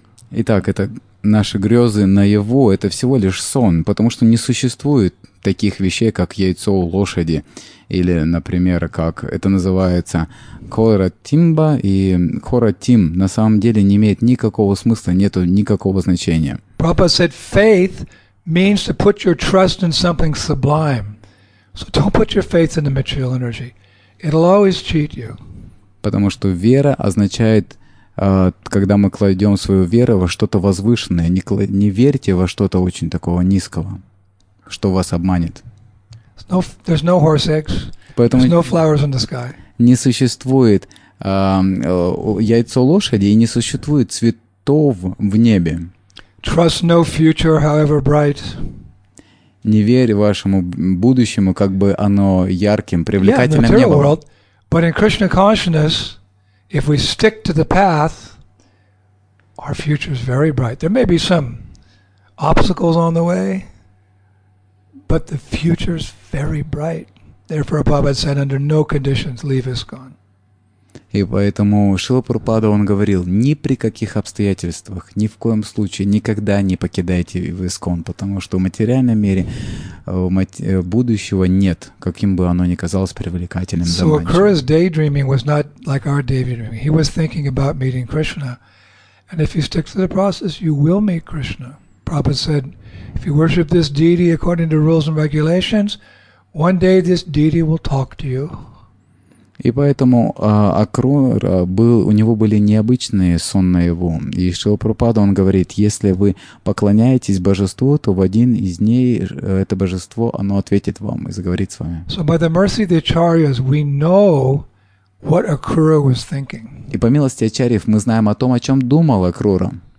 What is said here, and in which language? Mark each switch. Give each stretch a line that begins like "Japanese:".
Russian: Итак, это наши грезы наяву, это всего лишь сон, потому что не существует таких вещей, как яйцо у лошади, или, например, как это называется, Коратимба, и Коратим на самом деле не имеет никакого смысла, нету никакого значения.
English: Prabhupada said, faith means to put your trust in something sublime. So don't put your faith in the material energy. It'll always cheat you.
Russian: Потому что вера означает, когда мы кладем свою веру во что-то возвышенное, не верьте во что-то очень такого низкого, что вас обманет.
English: There's no horse eggs,
Russian: поэтому
English: there's no flowers in the sky.
Russian: Не существует яйцо лошади и не существует цветов в небе.
English: Trust no future, however bright.
Russian: Не верь вашему будущему, как бы оно ярким, привлекательным не было.
English: But in Krishna consciousness, if we stick to the path, our future is very bright. There may be some obstacles on the way, but the future is very bright. Therefore, Prabhupada said, under no conditions leave ISKCON.
Russian: И поэтому Шрила Прабхупада, он говорил, ни при каких обстоятельствах, ни в коем случае, никогда не покидайте ИСКОН, потому что в материальном мире будущего нет, каким бы оно ни казалось привлекательным.
English: So Akura's daydreaming was not like our daydreaming. He was thinking about meeting Krishna. And if you stick to the process, you will meet Krishna. Prabhupada said, if you worship this deity according to rules and regulations, one day this deity will talk to you.
Russian: И поэтому Акрура был, у него были необычные сон наяву. И Шрила Прабхупада, он говорит, если вы поклоняетесь божеству, то в один из дней это божество, оно ответит вам и заговорит с вами.
English: So by the mercy of the acharyas, we know what Akrura was thinking.
Russian: И по милости ачарьев, мы знаем о том, о чем думал Акрура.